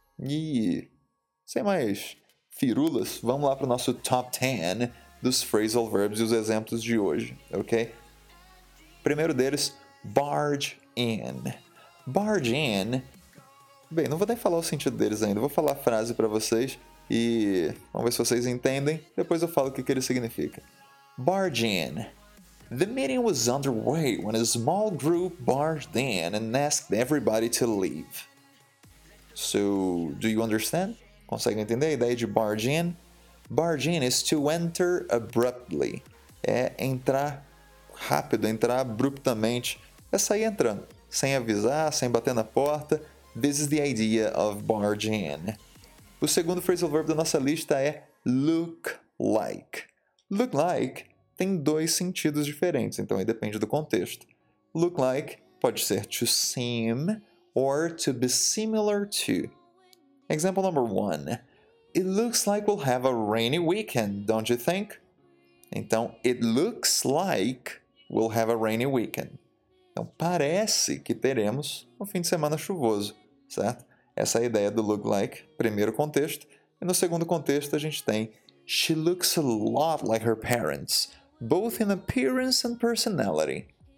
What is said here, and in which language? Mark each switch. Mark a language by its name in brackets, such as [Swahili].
[Portuguese] E sem mais firulas, vamos lá para o nosso top 10 dos phrasal verbs e os exemplos de hoje, ok? Primeiro deles, barge in. Barge in, bem, não vou nem falar o sentido deles ainda, vou falar a frase para vocês e vamos ver se vocês entendem, depois eu falo o que, que ele significa. [English] Barge in. The meeting was underway when a small group barged in and asked everybody to leave. So, do you understand? [Portuguese] Consegue entender a ideia de barge in? [English] Barge in is to enter abruptly. [Portuguese] É entrar rápido, entrar abruptamente. É sair entrando, sem avisar, sem bater na porta. [English] This is the idea of barge in. [Portuguese] O segundo phrasal verb da nossa lista é look like. Look like tem dois sentidos diferentes, então aí depende do contexto. [English] Look like [Portuguese] pode ser [English] to seem or to be similar to. Example number one. It looks like we'll have a rainy weekend, don't you think? [Portuguese] Então, [English] it looks like we'll have a rainy weekend. [Portuguese] Então, parece que teremos um fim de semana chuvoso, certo? Essa é a ideia do look like, primeiro contexto. E no segundo contexto a gente tem [English] she looks a lot like her parents, both in appearance and personality.